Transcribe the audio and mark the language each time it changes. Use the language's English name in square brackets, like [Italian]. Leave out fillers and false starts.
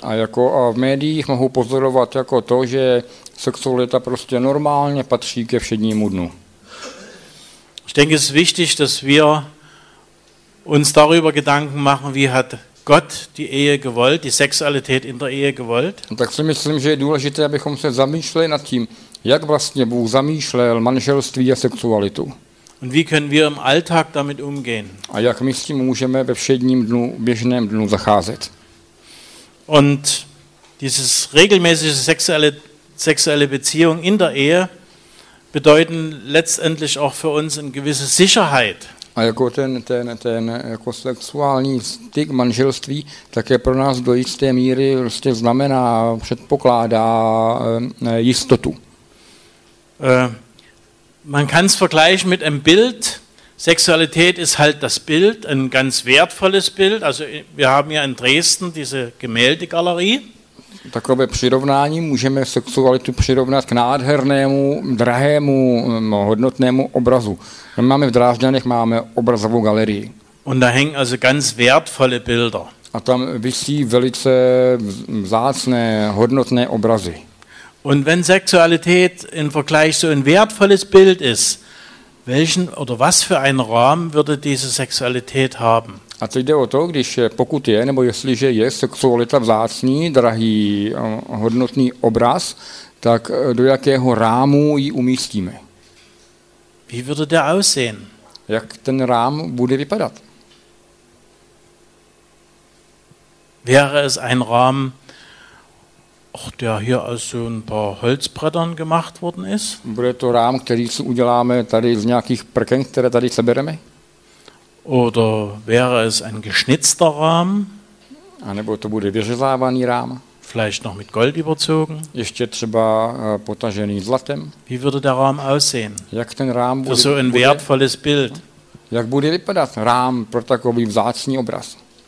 [Czech] A jako a v médiích mohu pozorovat jako to, že sexualita prostě normálně patří ke všednímu dnu. [German] Ich denke, es ist wichtig, dass wir uns darüber Gedanken machen, wie hat Gott die Ehe gewollt, die Sexualität in der Ehe gewollt. [Czech] Tak si myslím, že je důležité, abychom se zamýšleli nad tím, jak vlastně Bůh zamýšlel manželství a sexualitu. [German] Und wie können wir im Alltag damit umgehen? [Czech] A jak my s tím můžeme ve všedním dnu, běžném dnu zacházet? [German] Und dieses regelmäßige sexuelle Beziehung in der Ehe bedeuten letztendlich auch für uns eine gewisse Sicherheit. [Czech] A jako ten jako sexuální styk manželství, tak je pro nás do jisté míry prostě znamená, předpokládá jistotu. [German] Man kann es vergleichen mit einem Bild. Sexualität ist halt das Bild, ein ganz wertvolles Bild. Also wir haben ja in Dresden diese Gemäldegalerie. [Czech] Takové přirovnání můžeme sexualitu přirovnat k nádhernému, drahému, hodnotnému obrazu. My máme v Drážďanech máme obrazovou galerii. [German] Und da hängen also ganz wertvolle Bilder. [Czech] A tam visí velice vzácné, hodnotné obrazy. [German] Und wenn Sexualität im Vergleich so ein wertvolles Bild ist, welchen oder was für einen Rahmen würde diese Sexualität haben? [Czech] A teď jde o to, když pokud je, nebo jestliže je sexualita vzácný, drahý, hodnotný obraz, tak do jakého rámu ji umístíme? [German] Wie würde der aussehen? [Czech] Jak ten rám bude vypadat? [German] Wäre es ein Rahmen, der hier aus so ein paar Holzbrettern gemacht worden ist? [Czech] Bude to rám, který si uděláme tady z nějakých prken, které tady sebereme? [German] Oder wäre es ein geschnitzter Rahmen? [Czech] A nebo to bude vyřezávaný rám? [German] Vielleicht noch mit Gold überzogen? [Czech] Ještě třeba potažený zlatem? [German] Wie würde der Rahmen aussehen? [Czech] Jak ten rám bude? [German] Für so ein wertvolles Bild. [Czech] Jak bude vypadat rám pro takový vzácný obraz?